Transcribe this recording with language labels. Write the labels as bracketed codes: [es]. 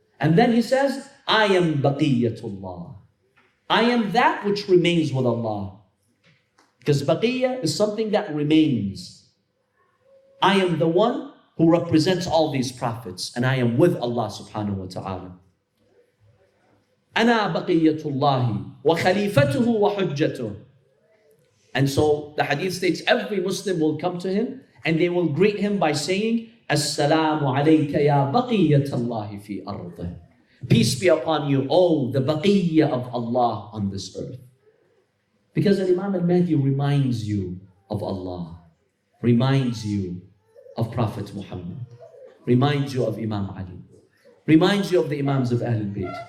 [en] And then he says, I am Baqiyatullah. I am that which remains with Allah. Because Baqiyah is something that remains. I am the one who represents all these prophets. And I am with Allah subhanahu wa ta'ala. [ar] أنا بقية الله وخليفته وحجته. [en] And so the hadith states, every Muslim will come to him and they will greet him by saying, [ar] As-salamu alayka ya baqiyatallahi fi ardih. [en] Peace be upon you, oh, the baqiyya of Allah on this earth. Because Imam al-Mahdi reminds you of Allah, reminds you of Prophet Muhammad, reminds you of Imam Ali, reminds you of the Imams of Ahlul Bayt.